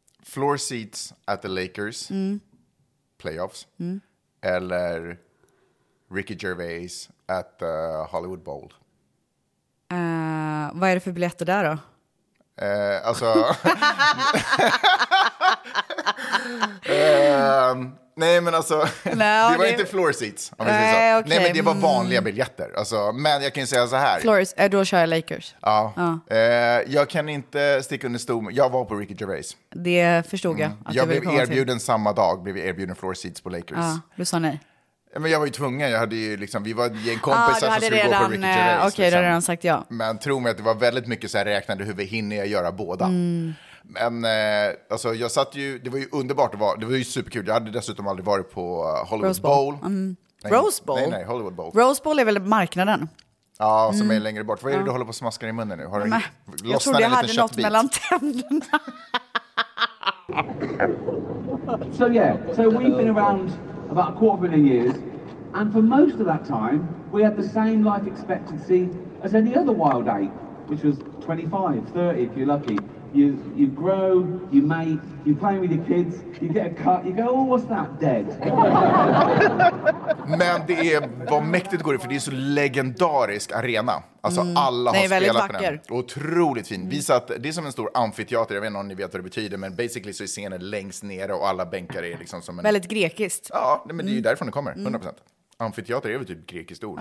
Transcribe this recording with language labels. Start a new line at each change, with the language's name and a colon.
English: floor seats at the Lakers playoffs
Swedish: eller
English: Ricky Gervais at the Hollywood Bowl.
Swedish: Vad är det för biljetter där då? Alltså nej men alltså det var inte floor seats om man säger så. Okay. Nej men det var vanliga biljetter. Alltså, men jag kan ju säga så här. Floors, då kör jag Lakers. Ja. Jag kan inte sticka under stol. Jag var på Ricky Gervais. Det förstod jag. Jag blev erbjuden till. Samma dag blev jag erbjuden floor seats på Lakers. Ja, du sa nej. Men jag var ju tvungen, jag hade ju liksom, vi var en gäng kompisar som skulle redan, gå på Ricky Gervais. Okej, liksom. Du har redan sagt ja. Men tro mig att det var väldigt mycket så här räknade hur vi hinner jag göra båda. Mm. Men alltså, jag satt ju, det var ju underbart att vara, det var ju superkul. Jag hade dessutom aldrig varit på Hollywood Rose Bowl. Rose Bowl? Nej, Hollywood Bowl. Rose Bowl är väl marknaden? Ja, som är längre bort. Vad är det du håller på att smaska i munnen nu? Har jag trodde jag hade något köttbit. Mellan tänderna.
English: So yeah, so we've been around about a quarter of a million years, and for most of that time, we had the same life expectancy as any other wild ape, which was 25, 30 if you're lucky. You grow, you mate, you play with your kids, you get a cut, you go, oh, what's that, dead?
Swedish: Men det är, vad mäktigt går det, för det är så legendarisk arena. Alltså alla har spelat på den. Otroligt fin. Vi satt, det är som en stor amfiteater, jag vet inte om ni vet vad det betyder, men basically så är scenen längst nere och alla bänkar är liksom som en... Väldigt grekiskt. Ja, men det är ju därifrån det kommer, 100%. Amfiteater är väl typ grekiskt ord.